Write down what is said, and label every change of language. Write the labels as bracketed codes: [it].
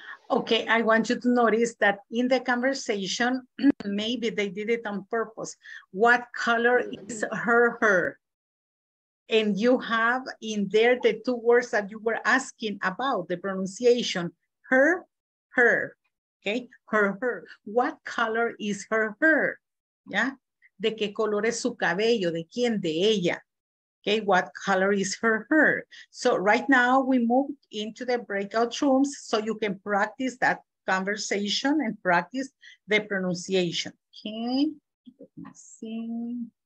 [en] Okay, I want you to notice that in the conversation, maybe they did it on purpose. What color is her hair? And you have in there the two words that you were asking about, the pronunciation, her, her. Okay, her, her. What color is her hair? [es] Yeah, de qué color es su cabello, de quién, de ella. [en] Okay, what color is her hair? So right now we move into the breakout rooms so you can practice that conversation and practice the pronunciation. Okay, let me see.